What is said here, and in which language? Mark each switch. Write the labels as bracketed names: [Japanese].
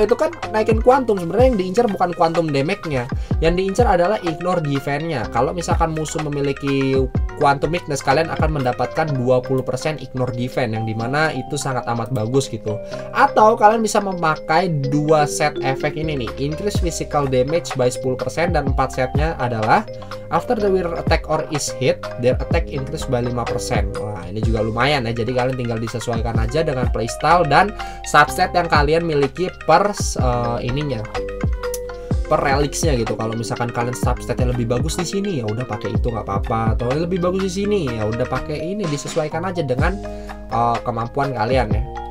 [Indonesian] Itu kan naikin quantum. Sebenarnya yang diincar bukan quantum damage-nya. Yang diincar adalah ignore defense-nya. Kalau misalkan musuh memiliki quantum weakness, kalian akan mendapatkan 20% ignore defense. Yang dimana itu sangat amat bagus gitu. Atau kalian bisa memakai 2 set efek ini nih. [English] Increase physical damage by 10% [Indonesian] dan 4 setnya adalah [English] after the wearer attack or is hit, their attack increase by 5%. [Indonesian] Wah, ini juga lumayan ya. Jadi kalian tinggal disesuaikan aja dengan playstyle dan subset yang kalian miliki per ininya. Per relicsnya gitu. Kalau misalkan kalian substatnya lebih bagus di sini, ya udah pakai itu nggak apa-apa. Atau lebih bagus di sini, ya udah pakai ini, disesuaikan aja dengan kemampuan kalian ya.